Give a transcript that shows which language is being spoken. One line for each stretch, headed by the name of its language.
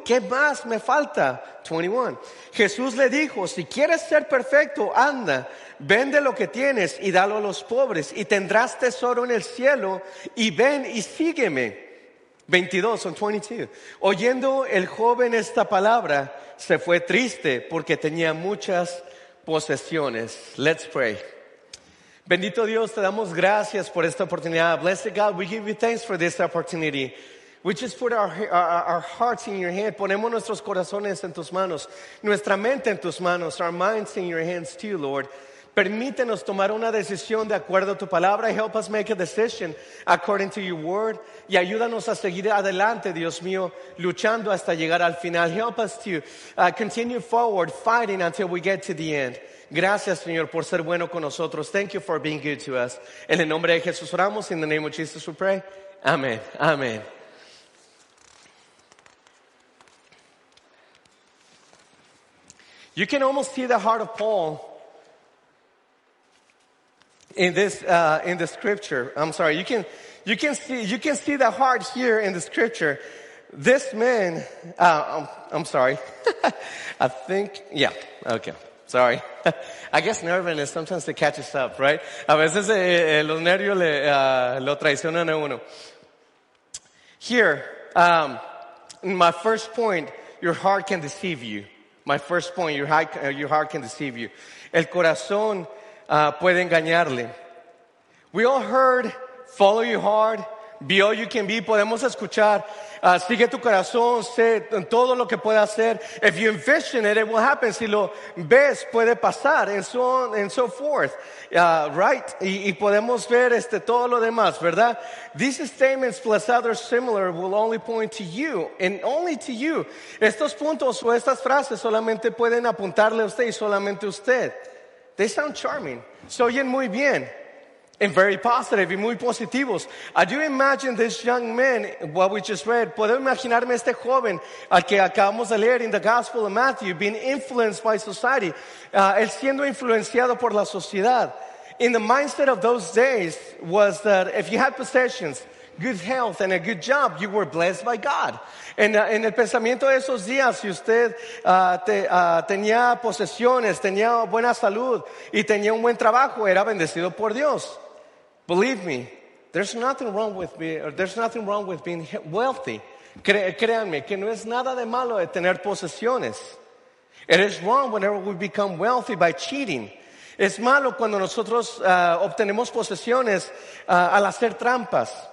Spanish: ¿Qué más me falta? 21. Jesús le dijo, si quieres ser perfecto, anda, vende lo que tienes y dalo a los pobres y tendrás tesoro en el cielo y ven y sígueme. 22. Oyendo el joven esta palabra, se fue triste porque tenía muchas posesiones.
English: Let's pray.
Spanish: Bendito Dios, te damos gracias por esta oportunidad.
English: Blessed God, we give you thanks for this opportunity. We just put our hearts in your hand.
Spanish: Ponemos nuestros corazones en tus manos. Nuestra mente en tus manos.
English: Our minds in your hands too, Lord.
Spanish: Permítenos tomar una decisión de acuerdo a tu palabra.
English: Help us make a decision according to your word.
Spanish: Y ayúdanos a seguir adelante, Dios mío, luchando hasta llegar al final.
English: Help us to continue forward, fighting until we get to the end.
Spanish: Gracias, Señor, por ser bueno con nosotros.
English: Thank you for being good to us.
Spanish: En el nombre de Jesús oramos.
English: In the name of Jesus we pray. Amen. Amen. You can almost see the heart of Paul in the scripture. I'm sorry. You can see the heart here in the scripture. This man. I'm sorry. I think. Yeah. Okay. Sorry. I guess nervousness sometimes it catches up, right?
Spanish: A veces los nervios lo traicionan a uno.
English: Here, my first point, your heart can deceive you. My first point, your heart can deceive you.
Spanish: El corazón puede engañarle.
English: We all heard, follow your heart, be all you can be.
Spanish: Podemos escuchar. Sigue tu corazón, sé todo lo que pueda hacer.
English: If you envision it, it will happen.
Spanish: Si lo ves, puede pasar.
English: And so on and so forth. Right?
Spanish: Y podemos ver todo lo demás, ¿verdad?
English: These statements plus others similar will only point to you and only to you.
Spanish: Estos puntos o estas frases solamente pueden apuntarle a usted y solamente a usted.
English: They sound charming.
Spanish: Se oyen muy bien.
English: And very positive,
Spanish: y muy positivos.
English: I do imagine this young man, what we just read.
Spanish: Puedo imaginarme este joven al que acabamos de leer
English: in the Gospel of Matthew, being influenced by society.
Spanish: Él siendo influenciado por la sociedad.
English: In the mindset of those days was that if you had possessions, good health and a good job, you were blessed by God.
Spanish: En el pensamiento de esos días, si usted tenía posesiones, tenía buena salud y tenía un buen trabajo, era bendecido por Dios.
English: Believe me, there's nothing wrong with me, or there's nothing wrong with being wealthy.
Spanish: Créanme que no es nada de malo de tener posesiones.
English: It is wrong whenever we become wealthy by cheating.
Spanish: Es malo cuando nosotros obtenemos posesiones al hacer trampas.